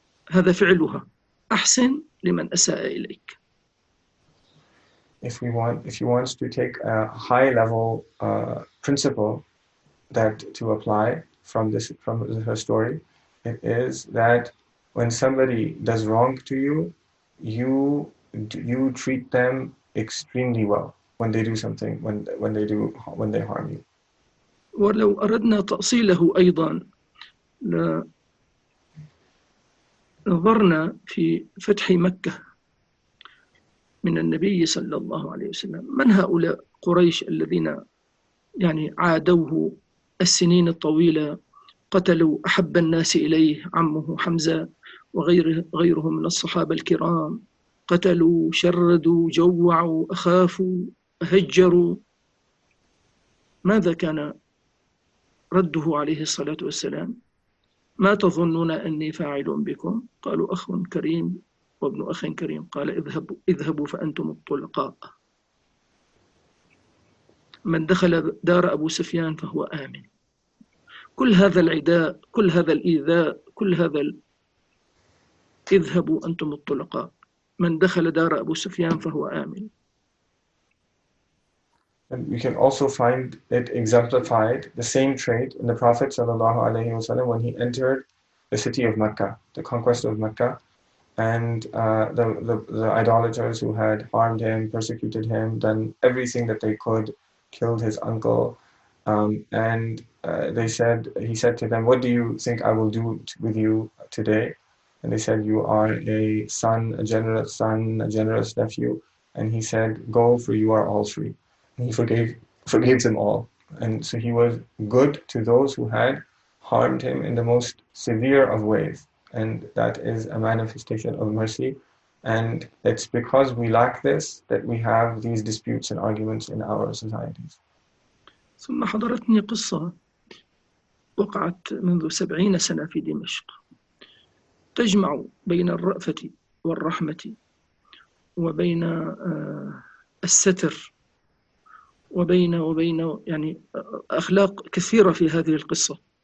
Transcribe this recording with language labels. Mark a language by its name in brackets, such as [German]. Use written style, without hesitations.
[Arabic] هذا فعلها، أحسن لمن أساء إليك. [English] If he wants to take a high level principle that to apply from her story, it is that when somebody does wrong to you, you treat them extremely well when they do something, when they harm you. [Arabic] ولو أردنا تأصيله أيضا لنظرنا في فتح مكة من النبي صلى الله عليه وسلم، من هؤلاء قريش الذين يعني عادوه السنين الطويلة، قتلوا أحب الناس إليه عمه حمزة وغيرهم من الصحابة الكرام، قتلوا شردوا جوعوا أخافوا هجروا، ماذا كان رده عليه الصلاة والسلام؟ ما تظنون أني فاعل بكم؟ قالوا أخ كريم وابن أخ كريم، قال اذهبوا فأنتم الطلقاء، من دخل دار أبو سفيان فهو آمن. كل هذا العداء، كل هذا الإيذاء، كل هذا اذهبوا أنتم الطلقاء، من دخل دار أبو سفيان فهو آمن. [English] And you can also find it exemplified, the same trait, in the Prophet ﷺ when he entered the city of Mecca, the conquest of Mecca, and the idolaters who had harmed him, persecuted him, done everything that they could, killed his uncle, and he said to them, "What do you think I will do with you today?" And they said, "You are a son, a generous son, a generous nephew." And he said, "Go, for you are all three." He forgave them all, and so he was good to those who had harmed him in the most severe of ways, and that is a manifestation of mercy. And it's because we lack this that we have these disputes and arguments in our societies. [Arabic] ثم حضرتني قصة وقعت منذ 70 سنة في دمشق، تجمع بين الرأفة والرحمة وبين الستر وبين يعني أخلاق كثيرة في هذه القصة.